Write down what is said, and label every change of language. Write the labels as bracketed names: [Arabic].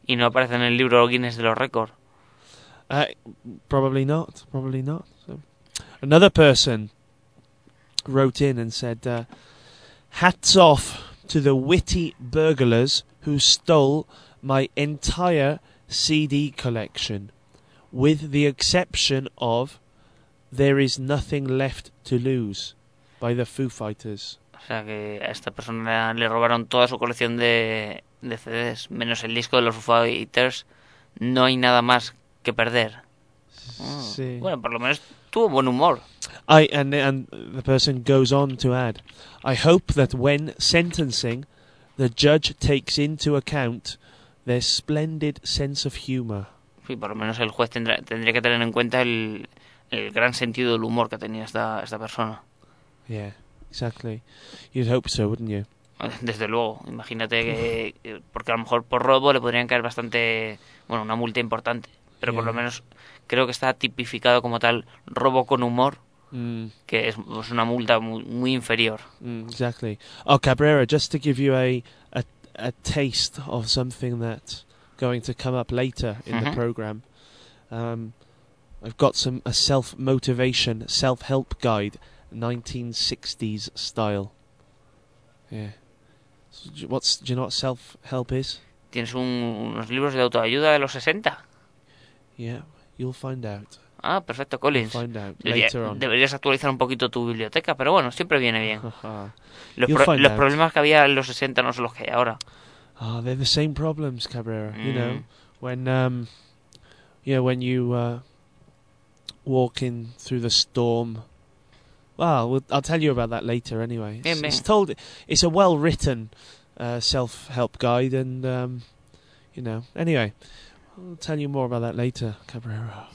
[Spanish] Y no aparece en el libro Guinness de los récords. [English] Probably not. So, another person wrote in and said, hats off to the witty burglars who stole my entire CD collection, with the exception of There Is Nothing Left to Lose by the Foo Fighters. [Spanish] O sea que a esta persona le robaron toda su colección de CDs, menos el disco de los Foo Fighters. No hay nada más que perder. Sí. Bueno, por lo menos tuvo buen humor. [English] And the person goes on to add, I hope that when sentencing, the judge takes into account their splendid sense of humor. [Spanish] Sí, por lo menos el juez tendría que tener en cuenta el gran sentido del humor que tenía esta persona. [English] Yeah, exactly. You'd hope so, wouldn't you? [Spanish] Desde luego, imagínate que, porque a lo mejor por robo le podrían caer bastante, bueno, una multa importante. Pero por lo menos creo que está tipificado como tal robo con humor, que es una multa muy, muy inferior. [English] Exactly. Oh, Cabrera, just to give you a taste of something that's going to come up later in the program, I've got a self-motivation, self-help guide, 1960s style. Yeah. Do you know what self-help is? [Spanish] Tienes unos libros de autoayuda de los 60. [English] Yeah, You'll find out. [Spanish] Ah, perfecto, Collins. [English] You'll find out later on. [Spanish] Deberías actualizar un poquito tu biblioteca, pero bueno, siempre viene bien. Los problemas que había en los 60 no son los que hay ahora. [English] Ah, oh, they're the same problems, Cabrera. Mm. You know, when when you walk in through the storm. Well, I'll tell you about that later anyway. It's a well-written self-help guide, and, anyway, I'll tell you more about that later, Cabrera.